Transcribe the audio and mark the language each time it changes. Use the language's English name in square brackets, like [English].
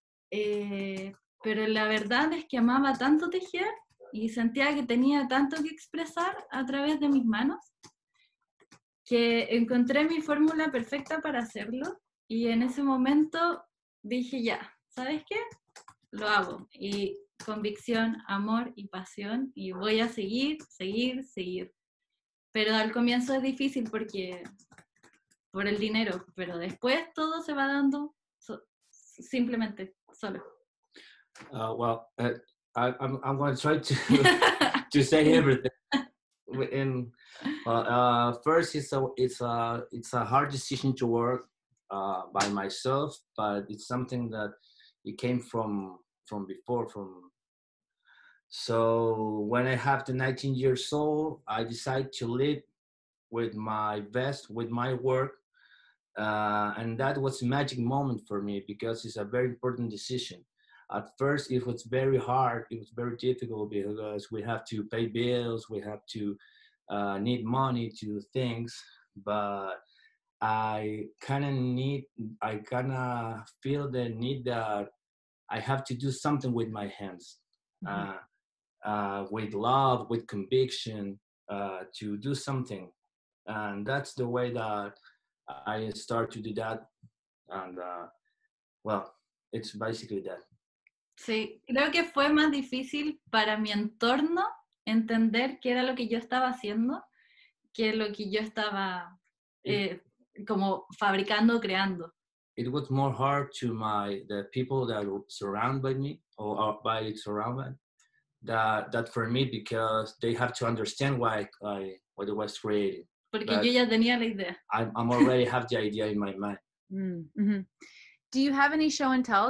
[Spanish] Pero la verdad es que amaba tanto tejer y sentía que tenía tanto que expresar a través de mis manos que encontré mi fórmula perfecta para hacerlo y en ese momento dije ya, ¿sabes qué? Lo hago. Y convicción, amor y pasión y voy a seguir, seguir, seguir. Pero al comienzo es difícil porque por el dinero, pero después todo se va dando simplemente, solo. [English] I'm going to try to to say everything. And first, it's a hard decision to work by myself, but it's something that it came from before. From so when I have the 19 years old, I decide to live with my best, with my work, and that was a magic moment for me because it's a very important decision. At first, it was very hard. It was very difficult because we have to pay bills. We have to need money to do things. But I kind of feel the need that I have to do something with my hands, with love, with conviction, to do something. And that's the way that I start to do that. And well, it's basically that. [Spanish] Sí, creo que fue más difícil para mi entorno entender qué era lo que yo estaba haciendo que lo que yo estaba como fabricando o creando. [English] It was more hard to my the people that surround by me or by surrounded that for me because they have to understand why I what I was creating. [Spanish] Porque but yo ya tenía la idea. [English] I'm already have the idea in my mind. Mm-hmm. Do you have any show and tell?